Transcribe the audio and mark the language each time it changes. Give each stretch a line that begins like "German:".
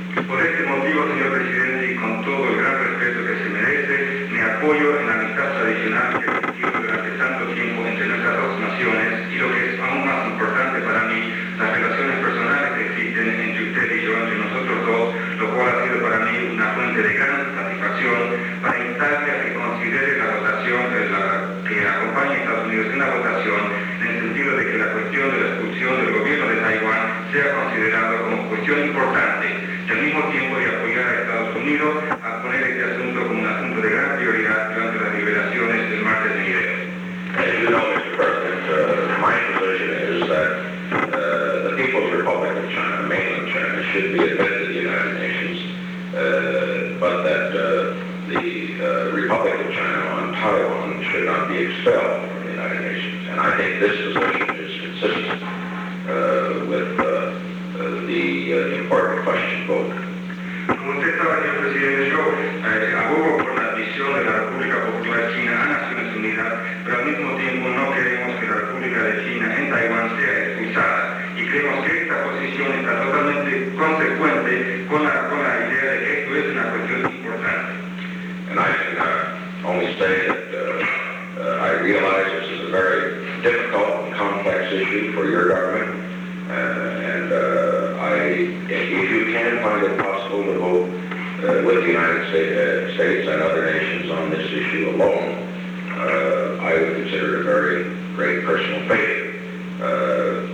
Spanish: Por este motivo, señor presidente, y con todo el gran respeto que se merece, me apoyo en la amistad tradicional que he tenido durante tanto tiempo entre nuestras dos naciones y lo que es aún más importante para mí, las relaciones personales que existen entre usted y yo, entre nosotros dos, lo cual ha sido para mí una fuente de gran satisfacción para instarle a que considere la votación de la que acompaña a Estados Unidos en la votación en el sentido de que la cuestión de la expulsión del gobierno de Taiwán sea considerada como cuestión importante. Al mismo tiempo de apoyar a Estados Unidos a poner este asunto como un asunto de gran prioridad durante las deliberaciones del martes de enero.
English: As you know, Mr. President, my position is that the People's Republic of China, mainland China, should be admitted to the United Nations, but that the Republic of China on Taiwan should not be expelled from the United Nations. And I think this position is consistent with the important question vote.
Spanish: Como usted sabe, señor presidente, yo abogo por la admisión de la República Popular China a Naciones Unidas, pero al mismo tiempo no queremos que la República de China en Taiwán sea expulsada. Y creemos que esta posición está totalmente consecuente con la idea de que esto es una cuestión importante.
English: And I can only say that I realize this is a very difficult and complex issue for your government. If you can find it possible to vote with the United States and other nations on this issue alone, I would consider it a very great personal favor.